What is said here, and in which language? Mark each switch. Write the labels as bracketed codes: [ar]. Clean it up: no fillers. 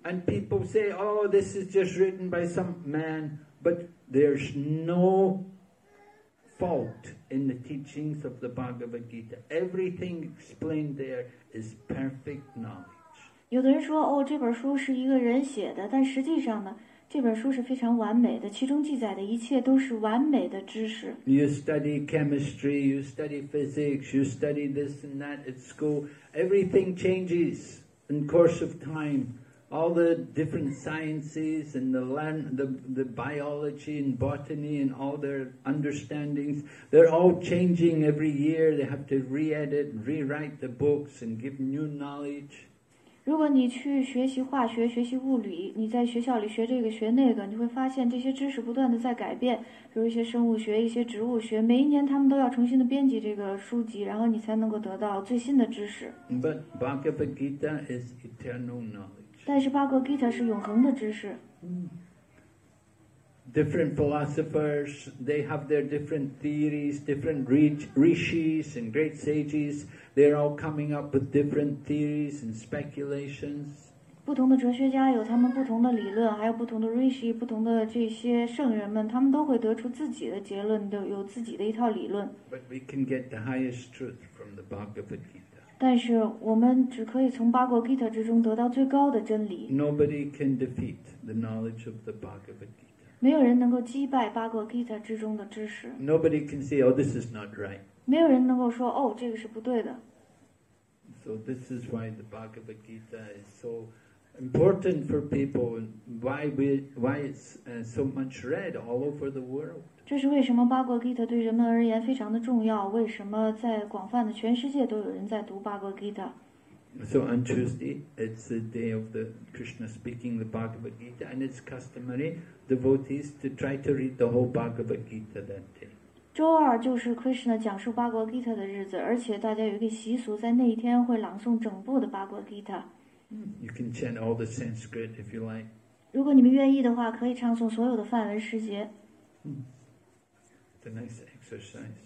[en] And people say, oh, this is just written by some man, butThere's no fault in the teachings of the Bhagavad Gita. Everything explained there is perfect knowledge. [zh] 有的人说，哦，这本书是一个人写的，但实际上呢，这本书是非常完美的，其中记载的一切都是完美的知识。 [en] You study chemistry, you study physics, you study this and that at school. Everything changes in course of time. All the different sciences and the biology and botany and all their understandings, they're all changing every year. They have to re-edit, rewrite the books and give new knowledge. [zh] 如果你去学习化学、学习物理，你在学校里学这个、学那个，你会发现这些知识不断的在改变。比如一些生物学、一些植物学，每一年他们都要重新的编辑这个书籍，然后你才能够得到最新的知识。 [en] But Bhagavad Gita is eternal knowledge. [zh] 但是巴格吉塔是永恒的知识。 [en] Different philosophers, they have their different theories, different rishis and great sages, they're all coming up with different theories and speculations. [zh] 不同的哲学家有他们不同的理论，还有不同的 rishi, 不同的这些圣人们，他们都会得出自己的结论，都有自己的一套理论。 [en] But we can get the highest truth from the Bhagavad Gita. [zh] 但是我们只可以从巴格吉塔之中得到最高的真理。 [en] Nobody can defeat the knowledge of the Bhagavad Gita. [zh] 没有人能够击败巴格吉塔之中的知识。 [en] Nobody can say, oh, this is not right. [zh] 没有人能够说，哦，这个是不对的。 [en] So this is why the Bhagavad Gita is so important for people, and why it's so much read all over the world. [zh] 这是为什么巴格吉塔对人们而言非常的重要，为什么在广泛的全世界都有人在读巴格吉塔。 [en] So on Tuesday, it's the day of the Krishna speaking the Bhagavad Gita, and it's customary devotees to try to read the whole Bhagavad Gita that day. [zh] 周二就是 Krishna 讲述巴格吉塔的日子，而且大家有一个习俗，在那一天会朗诵整部的巴格吉塔。 [en] You can chant all the Sanskrit if you like. [zh] 如果你们愿意的话，可以唱诵所有的梵文诗节。 [en] It's a nice exercise.